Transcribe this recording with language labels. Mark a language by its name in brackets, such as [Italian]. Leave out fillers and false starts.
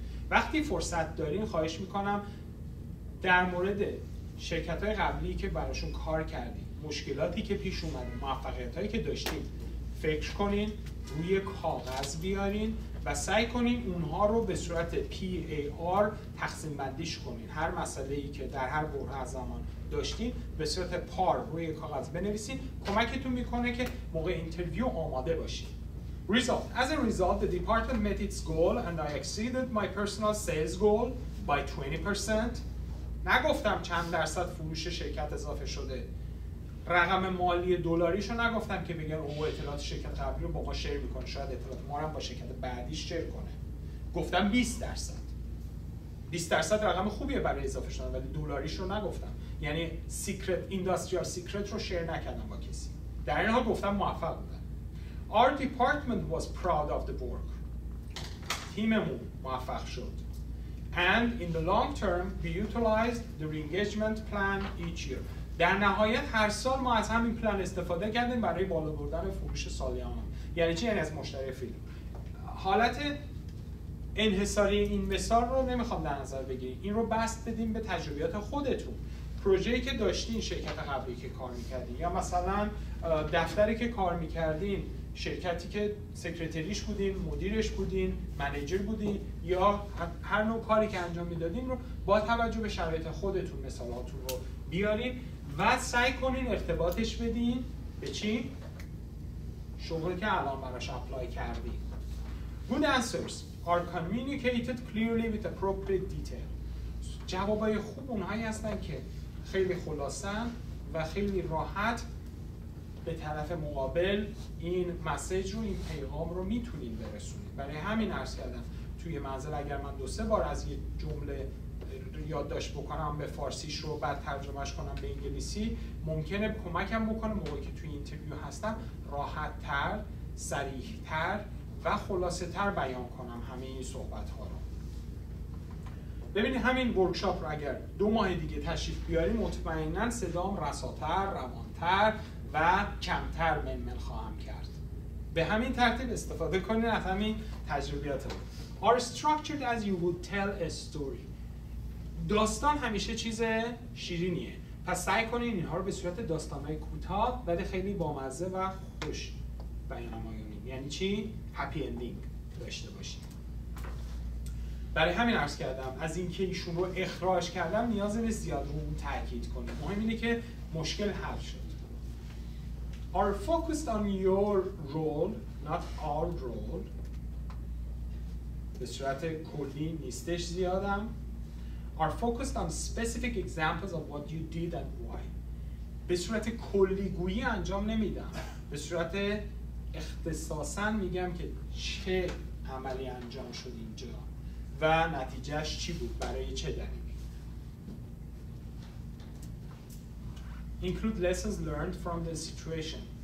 [Persian] وقتی فرصت دارین خواهش میکنم در مورد شرکت های قبلی که براشون کار کردیم، مشکلاتی که پیش اومد، موفقیت هایی که داشتیم فکر کنین، روی کاغذ بیارین و سعی کنین اونها رو به صورت PAR تقسیم بندیش کنین. هر مسئله ای که در هر برهه از زمان داشتین به صورت PAR روی کاغذ بنویسین، کمکتون میکنه که موقع اینترویو آماده باشین. [English] Result. As a result, the department met its goal and I exceeded my personal sales goal by 20%. [Persian] نگفتم چند درصد فروش شرکت اضافه شده، رقم مالی دلاریشو نگفتم که بگن او اطلاعات شرکت قبلی رو با ما شیر میکنه، شاید اطلاعات ما رو با شرکت بعدیش شیر کنه. گفتم 20%. 20% رقم خوبیه برای اضافه شدن، ولی دلاریشو نگفتم. یعنی سیکرت، اینداستریال سیکرت رو شیر نکردم با کسی. در این حال گفتم موفق بودم. [English] Our department was proud of the work. [Persian] تیممون موفق شد. [English] And in the long term, we utilized the re-engagement plan each year. [Persian] در نهایت هر سال ما از همین پلان استفاده کردیم برای بالا بردن فروش سالیانه. یعنی چی؟ یعنی از مشتری فیلم. حالت انحصاری این مثال رو نمیخوام در نظر بگیریم. این رو بست بدیم به تجربیات خودتون. پروژه‌ای که داشتین، شرکت قبلی که کار میکردین، یا مثلا دفتری که کار میکردین، شرکتی که سکرتریش بودین، مدیرش بودین، منیجر بودین، یا هر نوع کاری که انجام میدادین رو با توجه به شرایط خودتون مثالاتون رو بیارین و سعی کنین ارتباطش بدین به چی؟ شغلی که الان براش اپلای کردین. [English] Good answers are communicated clearly with appropriate detail. [Persian] جوابای خوب اونهایی هستن که خیلی خلاصن و خیلی راحت به طرف مقابل این مسیج رو، این پیغام رو میتونین برسونید. برای همین عرض کردم توی منزل اگر من دو سه بار از یه جمله یادداشت بکنم به فارسیش رو بعد ترجمهش کنم به انگلیسی، ممکنه کمکم بکنه موقعی که توی اینترویو هستم راحت تر سریع‌تر و خلاصه‌تر بیان کنم همه این صحبت‌ها رو. ببینید همین ورکشاپ رو اگر دو ماه دیگه تشریف بیاریم مطمئناً صدام رساتر، روانتر و کمتر منمن خواهم کرد. به همین ترتیب استفاده کنید از همین تجربیات رو. [English] Are structured as you would tell a story. [Persian] داستان همیشه چیز شیرینیه. پس سعی کنید اینها رو به صورت داستانهای کوتاه ولی خیلی بامزه و خوش بیان نمایید. یعنی چی؟ هپی اندینگ داشته باشید. برای همین عرض کردم از اینکه ایشون رو اخراج کردم نیازی نیست زیاد رو اون تاکید کنید. مهم اینه که مشکل حل شد. [English] Are focused on your role, not our role. [Persian] به صورت کلی نیستش زیادم. [English] Are focused on specific examples of what you did and why. [Persian] به صورت کلی گویی انجام نمیدم. به صورت اختصاصاً میگم که چه عملی انجام شد اینجا و نتیجهش چی بود برای چه دلیلی. [English] Include lessons learned from the situation.